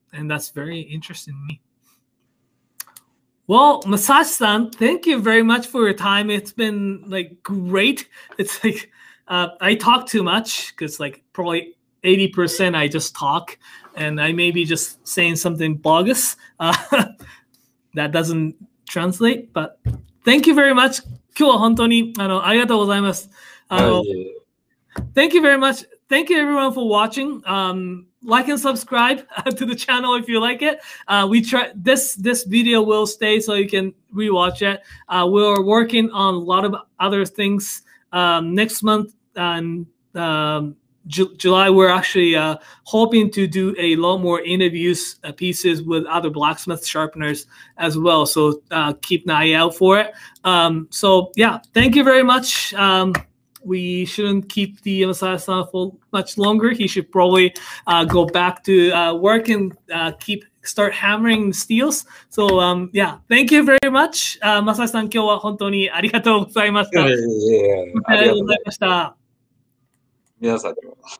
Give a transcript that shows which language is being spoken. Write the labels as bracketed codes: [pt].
[en] And that's very interesting to me. Well, Masashi-san, thank you very much for your time. It's been like great. It's like I talk too much, because like probably 80% I just talk, and I may be just saying something bogus that doesn't translate, but thank you very much. [ja] 今日は本当にありがとうございます。 [en] Thank you very much. Thank you everyone for watching. Like and subscribe to the channel if you like it. We try this video will stay so you can rewatch it. We're working on a lot of other things next month, and July, we're actually hoping to do a lot more interviews pieces with other blacksmith sharpeners as well. So keep an eye out for it. So yeah, thank you very much. We shouldn't keep the Masashi-san for much longer. He should probably go back to work and start hammering steels. So yeah, thank you very much. Masashi-san, [ja] 今日は本当にありがとうございました。ありがとうございました。皆さんでも。